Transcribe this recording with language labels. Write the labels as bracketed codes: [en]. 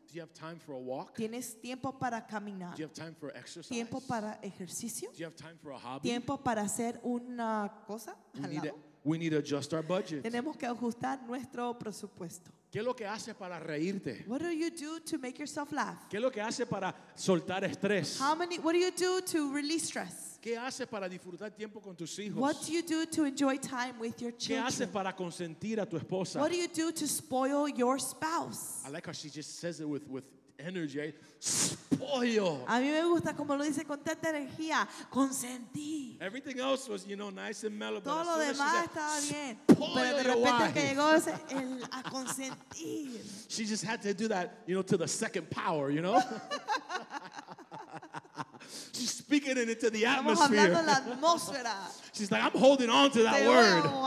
[en] Do you have time for a walk? [es] ¿Tienes tiempo para caminar? [en] Do you have time for exercise? [es] ¿Tiempo para ejercicio? [en] Do you have time for a hobby? [es] ¿Tiempo para hacer una cosa? [en] We need to adjust our budget. [es] Tenemos que ajustar nuestro presupuesto. ¿Qué es lo que haces para reírte? [en] What do you do to make yourself laugh? [es] ¿Qué es lo que haces para soltar estrés? [en] What do you do to release stress? [es] ¿Qué haces para disfrutar tiempo con tus hijos? [en] What do you do to enjoy time with your children? [es] ¿Qué haces para consentir a tu esposa? [en] What do you do to spoil your spouse? I like how she just says it with energy. Spoil. [es] A mí me gusta como lo dice con tanta energía, consentí. [en] Everything else was, you know, nice and mellow. [es] Todo lo demás estaba bien. Pero de repente que llegó el a consentir. [en] She just had to do that, you know, to the second power, you know. She's speaking it into the atmosphere. She's like, I'm holding on to that word.